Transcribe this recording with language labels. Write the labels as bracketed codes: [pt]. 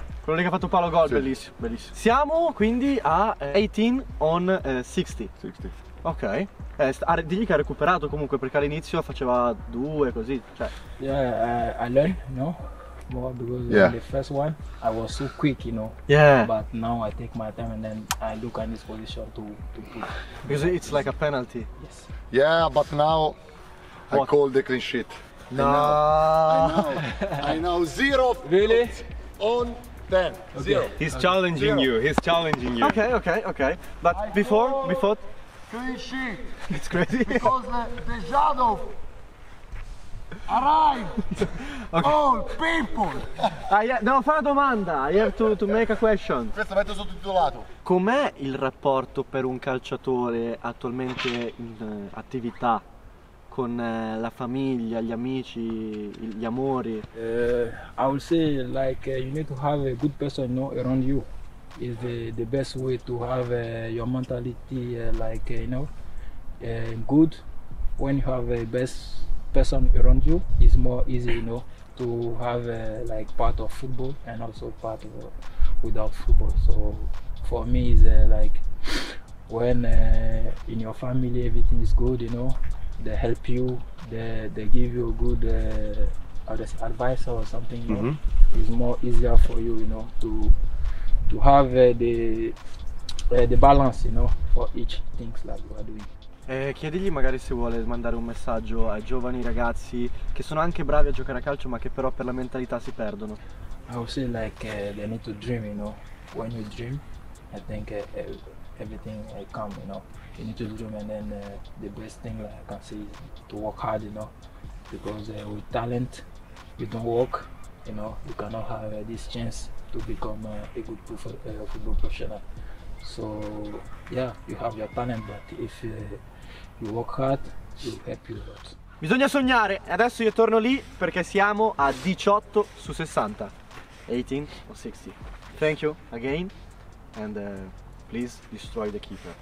[it] Quello lì che ha fatto palo gol, sì. bellissimo. Siamo quindi a 18 on 60. Ok, digli che ha recuperato comunque perché all'inizio faceva due così, cioè. [en] Yeah, I learned, no? More because yeah. The first one I was so quick, you know. Yeah. But now I take my time and then I look at this position to put. Because it's like a penalty. Yes. Yeah, but now what? I call the clean sheet. No. I know. Zero. Really? On. 10, okay. Zero. He's challenging zero. You. He's challenging you. Okay. But I before. Clean sheet. It's crazy. Because the shadow arrive. Okay. All people. [it] Devo fare una domanda. [en] I have to make a question. [it] Questo metto sottotitolato. Com'è il rapporto per un calciatore attualmente in attività con la famiglia, gli amici, gli amori? [en] I would say like you need to have a good person, you know, around you. Is the best way to have your mentality like you know good. When you have a best person around you, it's more easy, you know, to have like part of football and also part of without football. So for me is like when in your family everything is good, you know, they help you, they give you a good advice or something, you mm-hmm. know, it's more easier for you, you know, to have the balance, you know, for each things that you are doing. [it] Chiedigli magari se vuole mandare un messaggio ai giovani ragazzi che sono anche bravi a giocare a calcio ma che però per la mentalità si perdono. [en] I would say like they need to dream, you know, when you dream I think everything come, you know, you need to dream and then the best thing like I can say is to work hard, you know, because with talent you don't work, you know, you cannot have this chance to become a good football professional. So yeah, you have your talent, but if you work hard, you help you a lot. [it] Bisogna sognare. Adesso io torno lì perché siamo a 18 su 60. [en] 18 or 60. Thank you again, and please destroy the keeper.